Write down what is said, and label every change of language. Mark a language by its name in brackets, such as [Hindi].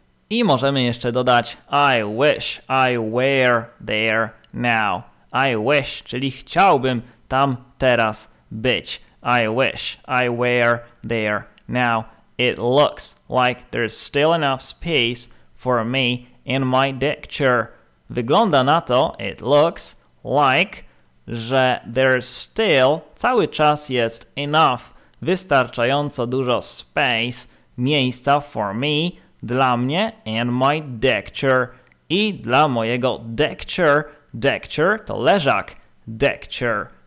[Polish] I możemy jeszcze dodać, [English] I wish I were there now. I wish, [Polish] czyli chciałbym tam teraz być. [English] I wish I were there now. It looks like there's still enough space for me in my deck chair. [Polish] Wygląda na to, [English] it looks like, [Polish] że [English] there's still, [Polish] cały czas jest [English] enough, [Polish] wystarczająco dużo [English] space, [Polish] miejsca [English] for me, [Polish] dla mnie, [English] and my deck chair, [Polish] i dla mojego deck chair to leżak, deck chair.